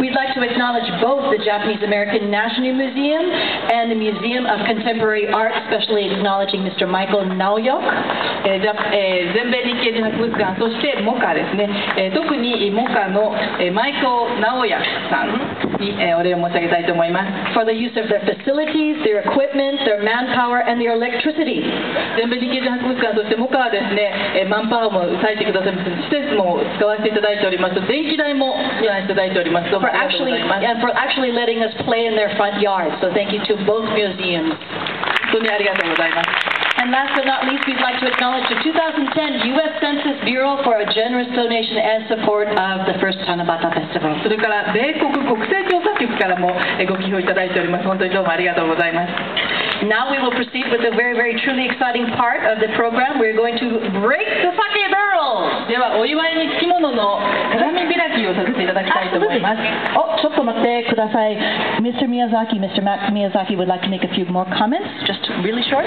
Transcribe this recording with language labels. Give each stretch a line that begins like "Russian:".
English: We'd like to acknowledge both the Japanese American National Museum and the Museum of Contemporary Art, especially acknowledging Mr. Michael Naoyok.
Japanese: 全米日系人博物館、そしてモカですね、特にモカのマイコー・ナオヤさんにお礼を申し上げたいと思います。
English: For the use of their facilities, their equipment, their manpower, and their electricity.
Japanese: 全米日系人博物館、そしてモカはですね、マンパワーも割いてくださって、施設も使わせていただいております。電気代も使わせていただいております。
English: For actually, and for actually letting us play in their front yard. So thank you to both museums.
Japanese: 本当にありがとうございます。
English: And last but not least, we'd like to acknowledge the 2010 U.S. Census Bureau for a generous donation and support of the first Tanabata Festival.
Japanese: それから米国国勢調査局からもご寄付いただいております。本当にどうもありがとうございます。
English: Now we will proceed with the very, very truly exciting part of the program. We're going to break the sake barrel.
Japanese: ではお祝いに付き物の鏡開きをさせていただきたいと思います。 Oh, ちょっと待ってください。
English: Mr. Miyazaki, Mr. Miyazaki would like to make a few more comments, just really short.